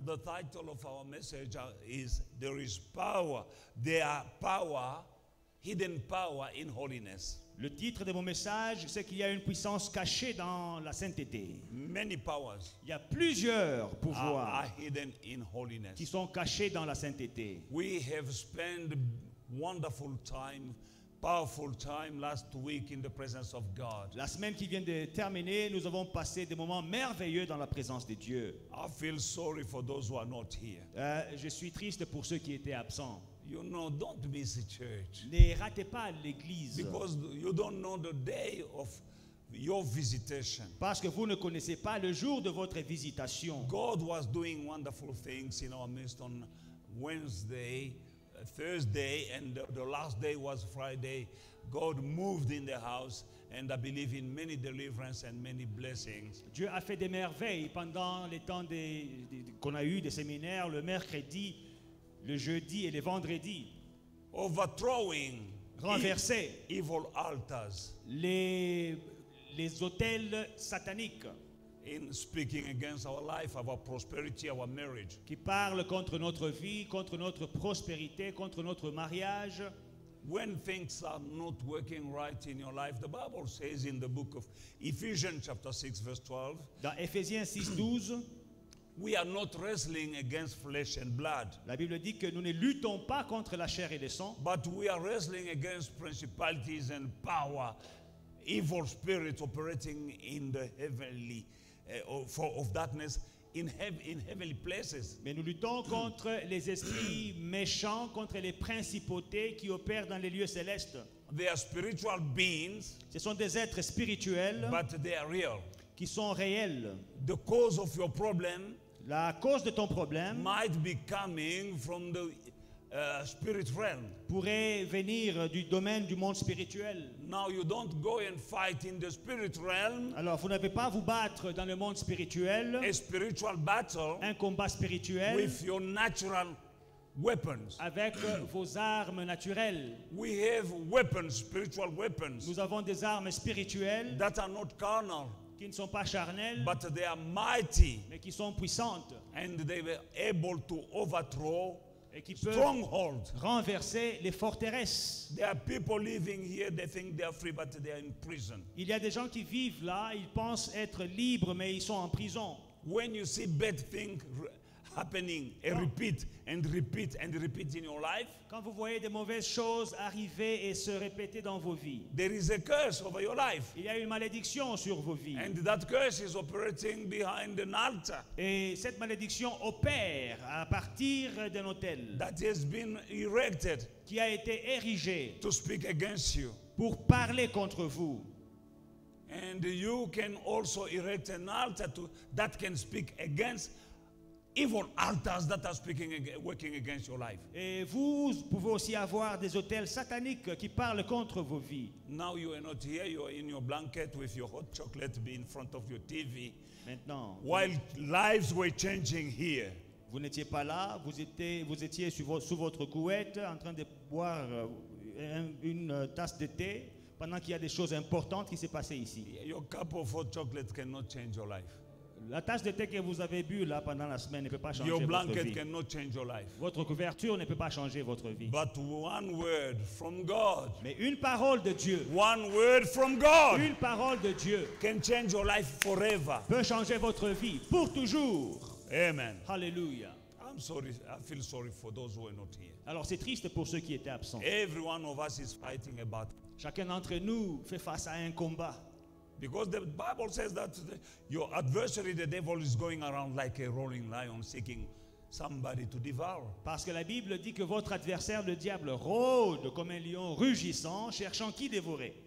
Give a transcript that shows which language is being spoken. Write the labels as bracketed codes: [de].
[en] The title of our message is "There is power. There are power, hidden power in holiness." [fr] Le titre de mon message, c'est qu'il y a une puissance cachée dans la sainteté. [en] Many powers. [fr] Il y a plusieurs pouvoirs [en] are hidden in holiness. [fr] Qui sont cachés dans la sainteté. [en] We have spent wonderful time. Powerful time last week in the presence of God. [fr] La semaine qui vient de terminer, nous avons passé des moments merveilleux dans la présence de Dieu. [en] I feel sorry for those who are not here. [fr] Je suis triste pour ceux qui étaient absents. [en] You know, don't miss the church. [fr] Ne ratez pas l'église. [en] Because you don't know the day of your visitation. [fr] Parce que vous ne connaissez pas le jour de votre visitation. [en] God was doing wonderful things in our midst on Wednesday. Thursday and the last day was Friday. God moved in the house and I believe in many deliverance and many blessings. [fr] Dieu a fait des merveilles pendant les temps qu'on a eu des séminaires le mercredi, le jeudi et le vendredi. [en] Overthrowing, [fr] renverser [en] evil altars, [fr] les hôtels sataniques. [en] In speaking against our life, our prosperity, our marriage. [fr] Qui parle contre notre vie, contre notre prospérité, contre notre mariage. [en] When things are not working right in your life, the Bible says in the book of Ephesians chapter 6 verse 12. [fr] Dans Éphésiens 6, 12. [en] We are not wrestling against flesh and blood. [fr] La Bible dit que nous ne luttons pas contre la chair et le sang. [en] But we are wrestling against principalities and power, evil spirits operating in the heavenly of darkness in heavenly places. [fr] Mais nous luttons contre les esprits méchants, contre les principautés qui opèrent dans les lieux célestes. [en] They are spiritual beings. [fr] Ce sont des êtres spirituels, [en] but they are real. [fr] Qui sont réels. [en] The cause of your problem. [fr] La cause de ton problème. [en] Might be coming from the spirit realm. [fr] Pourrait venir du domaine du monde spirituel. [en] Now you don't go and fight in the spirit realm. [fr] Alors vous n'avez pas à vous battre dans le monde spirituel. [en] A spiritual battle. [fr] Un combat spirituel. [en] With your natural weapons. [fr] Avec vos armes naturelles. [en] We have weapons, spiritual weapons. [fr] Nous avons des armes spirituelles. [en] That are not carnal. [fr] Qui ne sont pas charnels. [en] But they are mighty. [fr] Mais qui sont puissantes. [en] And they were able to overthrow. [fr] Et qui peut renverser les forteresses. [en] There are people living here, they think they are free, but they are in prison. [fr] Il y a des gens qui vivent là, ils pensent être libres, mais ils sont en prison. [en] When you see bad things happening, and repeat and repeat and repeat in your life, [fr] quand vous voyez des mauvaises choses arriver et se répéter dans vos vies, [en] there is a curse over your life. [fr] Il y a une malédiction sur vos vies. [en] And that curse is operating behind an altar. [fr] Et cette malédiction opère à partir d'un autel [en] that has been erected [fr] qui a été érigé [en] to speak against you. [fr] Pour parler contre vous. [en] And you can also erect an altar that can speak against evil altars that are speaking, working against your life. [fr] Et vous pouvez aussi avoir des hôtels sataniques qui parlent contre vos vies. [en] Now you are not here. You are in your blanket with your hot chocolate being in front of your TV. [fr] Maintenant, [en] while lives were changing here. [fr] Vous n'étiez pas là. Vous étiez sous votre couette en train de boire une tasse de thé pendant qu'il y a des choses importantes qui se passaient ici. [en] Your cup of hot chocolate cannot change your life. [fr] La tasse de thé que vous avez bu là pendant la semaine ne peut pas changer [en] your [fr] votre vie. [en] Cannot change your life. [fr] Votre couverture ne peut pas changer votre vie. [en] But one word from God, [fr] mais une parole de Dieu. [en] One word from God, [fr] une parole de Dieu. [en] Can change your life forever. [fr] Peut changer votre vie pour toujours. Amen. Hallelujah. [en] I'm sorry. I feel sorry for those who are not here. [fr] Alors c'est triste pour ceux qui étaient absents. [en] Every one of us is fighting a battle. [fr] Chacun d'entre nous fait face à un combat. [en] Because the Bible says that your adversary, the devil, is going around like a roaring lion, seeking somebody to devour. [fr] Parce que la Bible dit que votre adversaire, le diable, rôde comme un lion rugissant, cherchant qui dévorer.